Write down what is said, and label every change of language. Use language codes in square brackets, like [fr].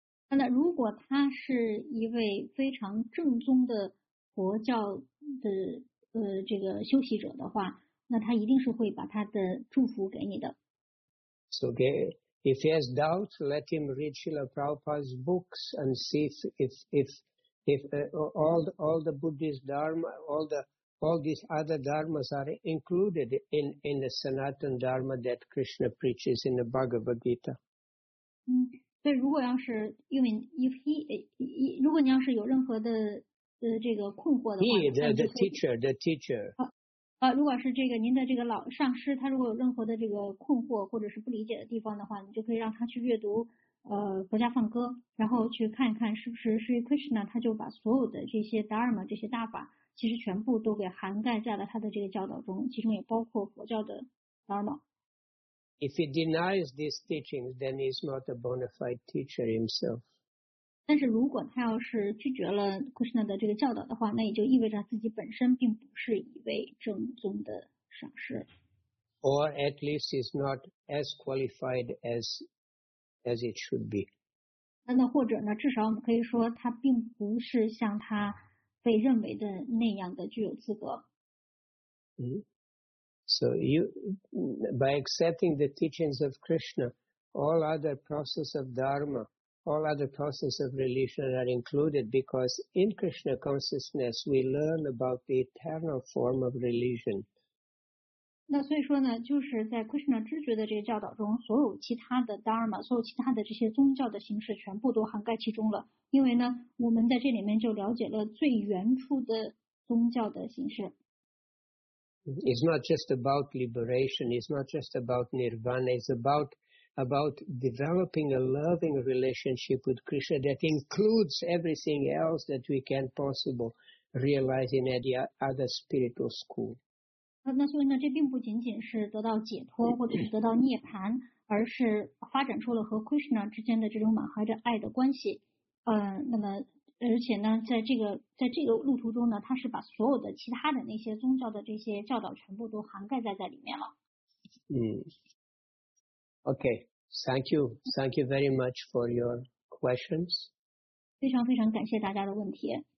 [zh] 那如果他是一位非常正宗的佛教的。这个修习者的话，那他一定是会把他的祝福给你的。 [en] So, okay. If he has doubts, let him read Srila Prabhupada's books and see if all the Buddhist Dharma, all these other Dharmas are included in the Sanatana Dharma that Krishna preaches in the Bhagavad Gita. [zh] 对，如果要是因为 如果你要是有任何的。这个困惑的话 [en] the teacher [zh] 如果是这个您的这个老上师，他如果有任何的这个困惑或者是不理解的地方的话，你就可以让他去阅读佛家梵歌，然后去看一看是不是是 Krishna 他就把所有的这些 Dharma 这些大法其实全部都给涵盖在了他的这个教导中，其中也包括佛教的 Dharma。 [en] If he denies these teachings, then he's not a bona fide teacher himself. [zh] 但是如果他要是拒绝了 Krishna 的这个教导的话，那也就意味着自己本身并不是一位正宗的上师。 [en] Or at least is not as qualified as it should be. [zh] 那或者呢，至少我们可以说他并不是像他被认为的那样的具有资格。 [en] So you, by accepting the teachings of Krishna, all other process of Dharma,all other processes of religion are included because in Krishna consciousness we learn about the eternal form of religion. [zh] 那所以说呢，就是在 Krishna 知觉的这个教导中，所有其他的 Dharma， 所有其他的这些宗教的形式全部都涵盖其中了。因为呢，我们在这里面就了解了最原初的宗教的形式。 [en] It's not just about liberation. It's not just about Nirvana. It's about developing a loving relationship with Krishna that includes everything else that we can possibly realize in any other spiritual school. [zh] 那所以呢，这并不仅仅是得到解脱或者是得到涅槃，而是发展出了和 Krishna 之间的这种满怀着爱的关系。那么而且呢，在这个路途中呢，他是把所有的其他的那些宗教的这些教导全部都涵盖在里面了。嗯。 [en] Okay, thank you very much for your questions. [zh] 非常非常感谢大家的问题。